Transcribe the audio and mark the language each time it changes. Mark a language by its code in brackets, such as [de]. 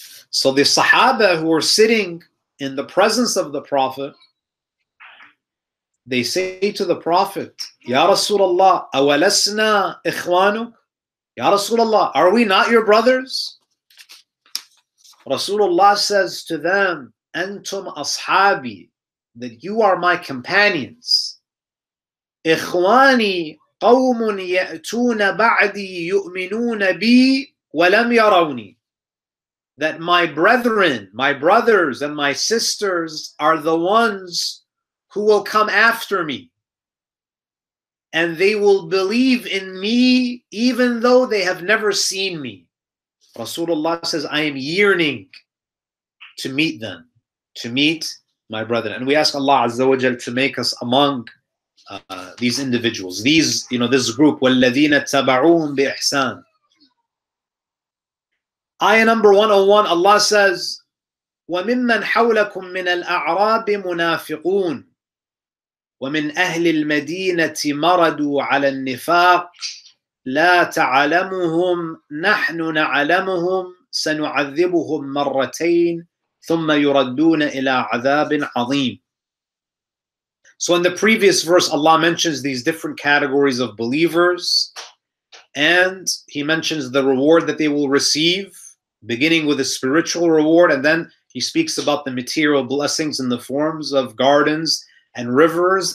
[en] So the Sahaba who were sitting in the presence of the Prophet, they say to the Prophet, Ya Rasulullah, [ar] awalasna ikhwanuk? [en] Ya Rasulullah, are we not your brothers? Rasulullah says to them, [ar] Antum ashabi, [en] that you are my companions. [ar] Ikhwani قَوْمٌ يَأْتُونَ بَعْدِي يُؤْمِنُونَ بِي وَلَمْ يَرَوْنِي. [en] That my brethren, my brothers and my sisters are the ones who will come after me. And they will believe in me even though they have never seen me. Rasulullah says, I am yearning to meet them, to meet my brethren. And we ask Allah Azza wa Jal to make us among these individuals, this group, [ar] وَالَّذِينَ اتَّبَعُوهُمْ بِإِحْسَانٍ. [en] Ayah number 101, Allah says, [ar] وَمِمَّنْ حَوْلَكُمْ مِنَ الْأَعْرَابِ مُنَافِقُونَ وَمِنْ أَهْلِ الْمَدِينَةِ مَرَدُوا عَلَى النِّفَاقِ لَا تَعَلَمُهُمْ نَحْنُ نَعَلَمُهُمْ سَنُعَذِّبُهُمْ مَرَّتَيْنِ ثُمَّ يُرَدُّونَ إِلَىٰ عَذَابٍ عَظِيمٍ. [en] So in the previous verse, Allah mentions these different categories of believers and He mentions the reward that they will receive, beginning with a spiritual reward, and then He speaks about the material blessings in the forms of gardens and rivers.